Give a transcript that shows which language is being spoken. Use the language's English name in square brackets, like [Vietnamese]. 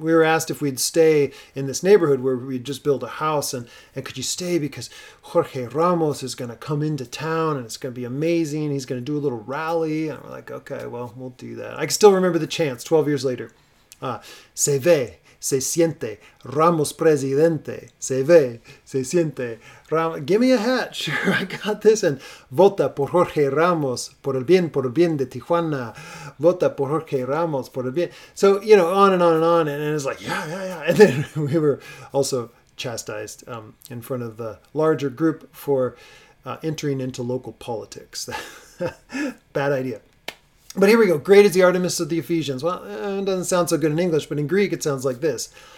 [English] We were asked if we'd stay in this neighborhood where we'd just built a house, and could you stay because Jorge Ramos is going to come into town and it's going to be amazing. He's going to do a little rally. And we're like, okay, well, we'll do that. I can still remember the chants 12 years later. [Spanish] Se ve, se siente, Ramos presidente. Se ve, se siente, Ramos. [English] Give me a hat, sure, I got this. [Spanish] And vota por Jorge Ramos, por el bien de Tijuana. Vota por Jorge Ramos, por el bien. [English] So, you know, on and on and on. And it's like, yeah, yeah, yeah. And then we were also chastised in front of the larger group for entering into local politics. Bad idea. But here we go. Great is the Artemis of the Ephesians. Well, it doesn't sound so good in English, but in Greek it sounds like this.